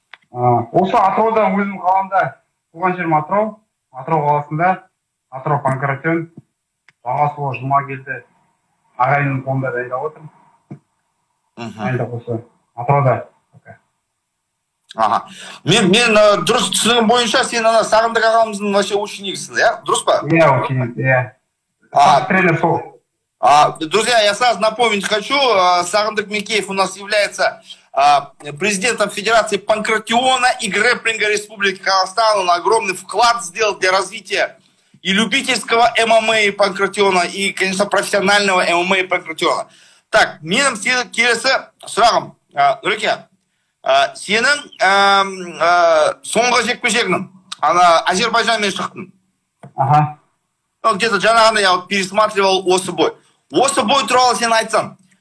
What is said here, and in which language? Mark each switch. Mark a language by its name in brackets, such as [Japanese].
[Kazakh] Осы Атырауда, өзім қаламда, туған жерім Атырау, Атырау қаласында, Атырау Панкратион, бағасы ол жұма келді, ағайынның қолында дайындап отырмын. Дайындап осы Атырауда. Мен дұрыс түсінігім бойынша сен ана Сағындық ағамыздың вообще ученигісің, иә? Дұрыс па? Иә, ученик, иә. Тренер сол. [Russian] Друзья, я сразу напомнить хочу, Сагындык Мекеев у нас является президентом Федерации Панкратиона и Грэпплинга Республики Казахстан. Он огромный вклад сделал для развития и любительского ММА и Панкратиона, и, конечно, профессионального ММА и Панкратиона. [Kazakh] Так, менің сені келесі сұрағым, Нұреке, сенің соңғы жекпе-жегің, Азербайджанмен шықтың. Ага. [Russian] Где-то [Kazakh] жаңағында [Russian] я пересматривал [Kazakh] осы бой. Осы бой туралы сен айтсам,